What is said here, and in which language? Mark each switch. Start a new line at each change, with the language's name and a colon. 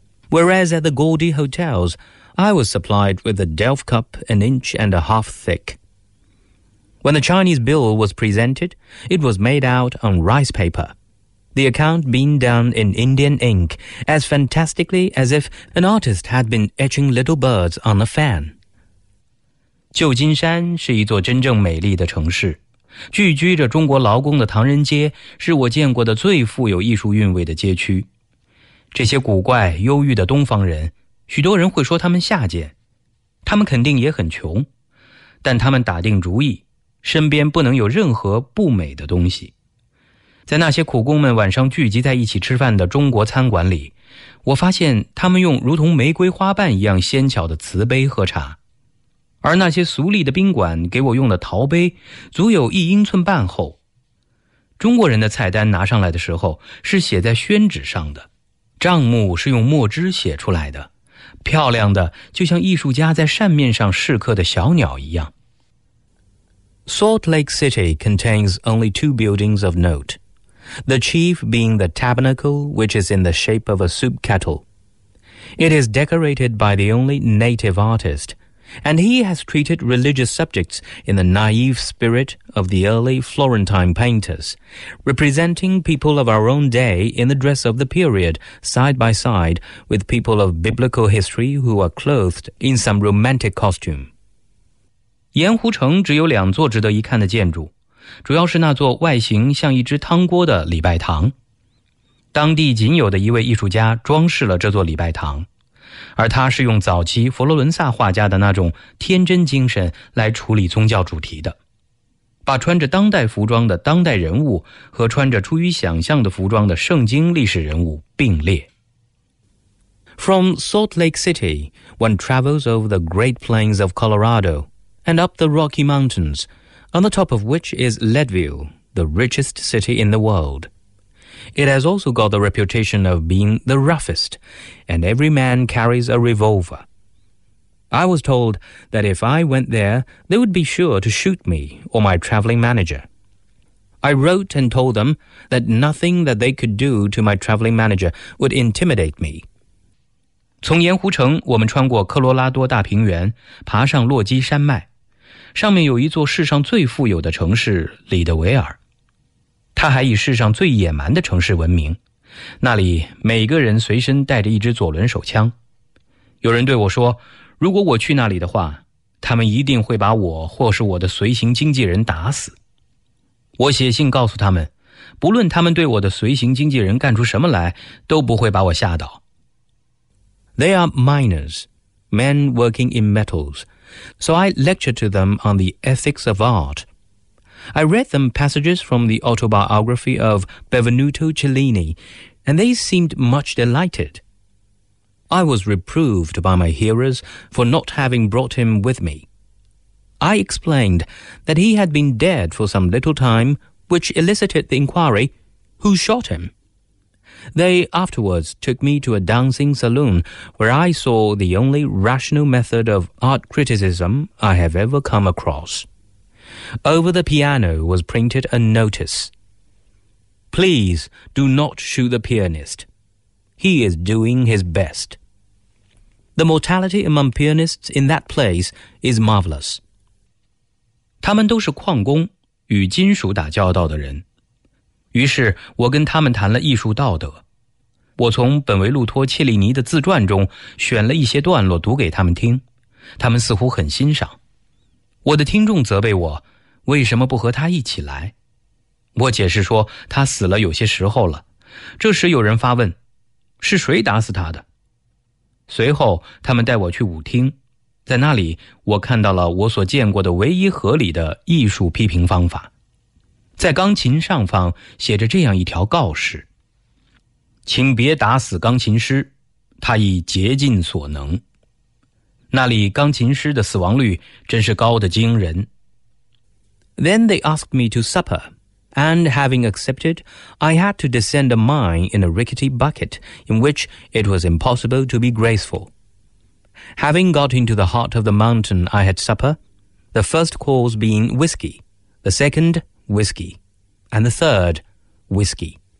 English: Whereas at the gaudy hotels, I was supplied with a Delft cup an inch and a half thick. When the Chinese bill was presented, it was made out on rice paper, the account being done in Indian ink as fantastically as if an artist had been etching little birds on a fan.
Chinese: 旧金山是一座真正美丽的城市。聚居着中国劳工的唐人街是我见过的最富有艺术韵味的街区。这些古怪忧郁的东方人，许多人会说他们下贱，他们肯定也很穷，但他们打定主意，身边不能有任何不美的东西。在那些苦工们晚上聚集在一起吃饭的中国餐馆里，我发现他们用如同玫瑰花瓣一样纤巧的瓷杯喝茶，而那些俗丽的宾馆给我用的陶杯足有一英寸半厚。中国人的菜单拿上来的时候是写在宣纸上的，账目是用墨汁写出来的，漂亮的就像艺术家在扇面上试刻的小鸟一样。
English: Salt Lake City contains only two buildings of note, the chief being the tabernacle which is in the shape of a soup kettle. It is decorated by the only native artistAnd he has treated religious subjects in the naive spirit of the early Florentine painters, representing people of our own day in the dress of the period, side by side with people of biblical history who are clothed in some romantic costume.
Chinese: 盐湖城只有两座值得一看的建筑，主要是那座外形像一只汤锅的礼拜堂。当地仅有的一位艺术家装饰了这座礼拜堂。而他是用早期佛罗伦萨画家的那种天真精神来处理宗教主题的，把穿着当代服装的当代人物和穿着出于想象的服装的圣经历史人物并列。
English: From Salt Lake City, one travels over the Great Plains of Colorado and up the Rocky Mountains, on the top of which is Leadville, the richest city in the worldIt has also got the reputation of being the roughest, and every man carries a revolver. I was told that if I went there, they would be sure to shoot me or my traveling manager. I wrote and told them that nothing that they could do to my traveling manager would intimidate me.
Chinese: 从盐湖城，我们穿过科罗拉多大平原，爬上洛基山脉，上面有一座世上最富有的城市——里德维尔。他还以世上最野蛮的城市闻名，那里每个人随身带着一支左轮手枪。有人对我说，如果我去那里的话，他们一定会把我或是我的随行经纪人打死。我写信告诉他们，不论他们对我的随行经纪人干出什么来，都不会把我吓倒。
English: They are miners, men working in metals, so I lecture to them on the ethics of art. I read them passages from the autobiography of Benvenuto Cellini, and they seemed much delighted. I was reproved by my hearers for not having brought him with me. I explained that he had been dead for some little time, which elicited the inquiry, "Who shot him?" They afterwards took me to a dancing saloon where I saw the only rational method of art criticism I have ever come across. Over the piano was printed a notice. Please do not shoot the pianist. He is doing his best. The mortality among pianists in that place is marvelous.
Chinese: 他们都是矿工，与金属打交道的人。于是我跟他们谈了艺术道德。我从本维路托·切利尼的自传中选了一些段落读给他们听，他们似乎很欣赏。我的听众责备我，为什么不和他一起来？我解释说，他死了有些时候了。这时有人发问，是谁打死他的？随后，他们带我去舞厅，在那里，我看到了我所见过的唯一合理的艺术批评方法。在钢琴上方写着这样一条告示：请别打死钢琴师，他已竭尽所能。那里钢琴师的死亡率真是高得惊人。
English: Then they asked me to supper, and having accepted, I had to descend a mine in a rickety bucket in which it was impossible to be graceful. Having got into the heart of the mountain, I had supper, the first course being whiskey, the second whiskey, and the third whiskey.